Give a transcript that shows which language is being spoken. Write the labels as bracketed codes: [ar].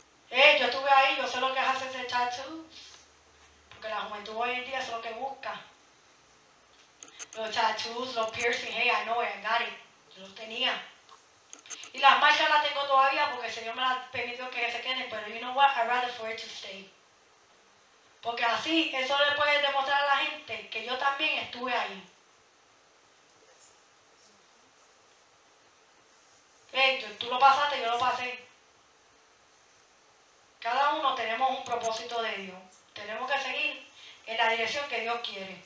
[es] Yo estuve ahí, yo sé lo que es hacer ese tattoo. Porque la juventud hoy en día es lo que busca. Los tattoos, los piercings, [en] hey, I know it, I got it. [es] Yo los tenía. Y las marcas las tengo todavía porque el Señor me las permitió que se queden. Pero [en] you know what, I'd rather for it to stay. [es] Porque así, eso le puede demostrar a la gente que yo también estuve ahí. Hey, tú lo pasaste, yo lo pasé. Cada uno tenemos un propósito de Dios. Tenemos que seguir en la dirección que Dios quiere.